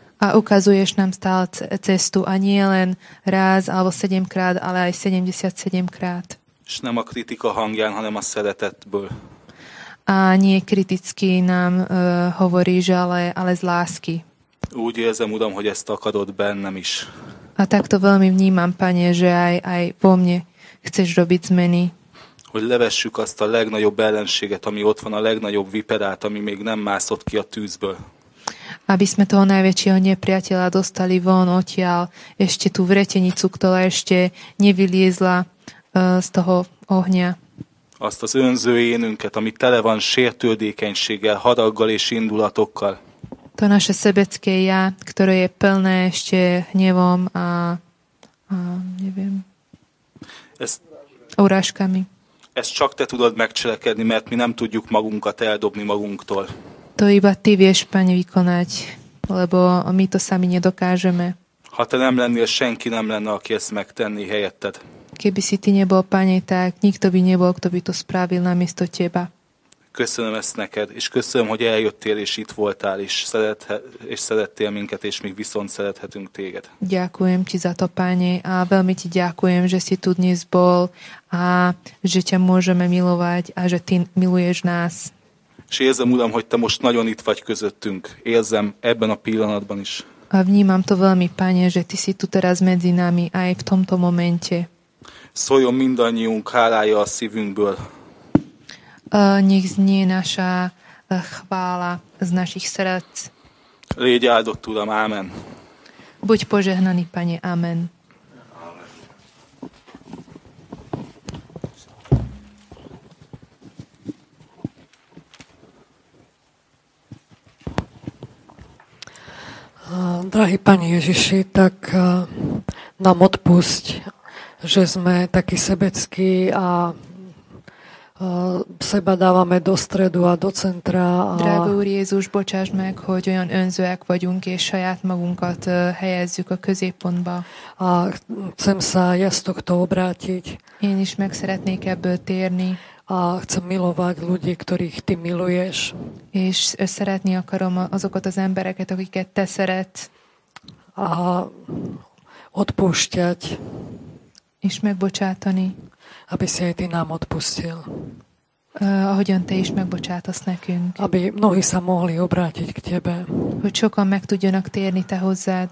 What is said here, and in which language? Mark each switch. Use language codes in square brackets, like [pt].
[sk] A ukazuješ nám stále cestu a nie len ráz, alebo 7-krát, ale aj 77-krát. [hu] És nem a kritika hangján, hanem a szeretetből. [sk] A nie kriticky nám hovoríš, ale z lásky. [hu] Úgy érzem, Uram, hogy ezt akadod bennem is. [sk] A takto veľmi vnímam, Pane, že aj vo mne chceš robiť zmeny. [hu] Hogy levessük azt a legnagyobb ellenséget, ami ott van, a legnagyobb viperát, ami még nem mászott ki a tűzből. [sk] Aby sme toho najväčšieho nepriateľa dostali von odtiaľ, ešte tú vretenicu, ktorá ešte nevyliezla z toho ohňa. [hu] Azt az önző énünket, ami tele van sértődékenységgel, haraggal és indulatokkal. [sk] To naše sebecké ja, ktoré je plné ešte hnevom a neviem, uráškami. [hu] Ezt csak te tudod megcselekedni, mert mi nem tudjuk magunkat eldobni magunktól. [sk] To iba ty vieš, Pane, vykonať, lebo my to sami nedokážeme. [hu] Ha te nem lennél, senki nem lenne, aki ezt megtenni helyetted. [sk] Keby si ty nebol, Pane, tak nikto by nebol, kto by to spravil namiesto teba. [hu] Köszönöm ezt neked, és köszönöm, hogy eljöttél, és itt voltál, és szerettél minket, és még viszont szerethetünk téged. [sk] Ďakujem ti za to, Pane, a veľmi ti ďakujem, že si tu dnes bol, a že ťa môžeme milovať, a že ty miluješ nás. [hu] És érzem, Uram, hogy te most nagyon itt vagy közöttünk. Érzem ebben a pillanatban is. [sk] A vnímam to veľmi, Pane, že ty si tu teraz medzi nami, aj v tomto momente. [hu] Szóljon mindannyiunk hálája a szívünkből. [sk] Nech znie naša chvála z našich srdc. [hu] Légy áldott, Uram, amen. [sk] Buď požehnaný, Pane, amen. Drahý Pane Ježiši, tak nám odpusť, že sme takí sebeckí a seba dávame do stredu a do centra. [hu] Drahý Úr Jézus, bocsáss meg, hogy olyan önzőek vagyunk, és saját magunkat helyezzük a középpontba. [sk] A chcem sa jasztokto obrátiť. [hu] Én is meg szeretnék ebből térni. [sk] A chcem milovať ľudí, ktorých ty miluješ. [hu] És szeretni akarom azokat az embereket, akiket te szeret. [sk] A odpúšťať. [hu] És megbocsátani. [sk] Aby si aj ty nám odpustil. [hu] Ahogyan te is megbocsátasz nekünk. [sk] Aby mnohí sa mohli obrátiť k tebe. [hu] Hogy sokan meg tudjanak térni te hozzád.